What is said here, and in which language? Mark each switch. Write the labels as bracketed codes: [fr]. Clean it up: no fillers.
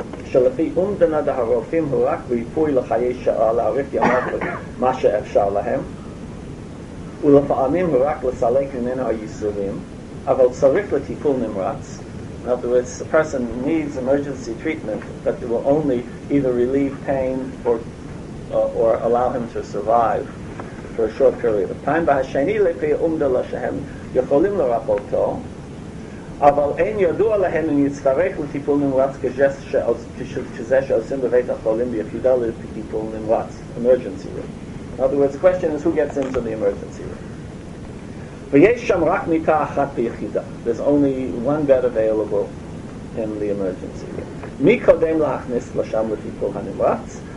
[he] שלפי אומדנד הרופאים הוא רק ריפוי לחיי שעה להאריך ימות מה שאפשר להם, ולפעמים הוא רק לסלק ממנו היסורים, אבל צריך לטיפול נמרץ. [en] In other words, the person needs emergency treatment that will only either relieve pain or allow him to survive for a short period of time. [he] והשני לפי עומדה לשם, יכולים לרפותו, אבל אין ידוע להם אם יצטרך לטיפול נמרץ כשזה שעושים בבית החולים ביחידה לטיפול נמרץ, emergency room. [en] In other words, the question is, who gets into the emergency room? [he] ויש שם רק מיטה אחת ביחידה. [en] There's only one bed available in the emergency room. [he] מי קודם להכניס לשם לטיפול הנמרץ?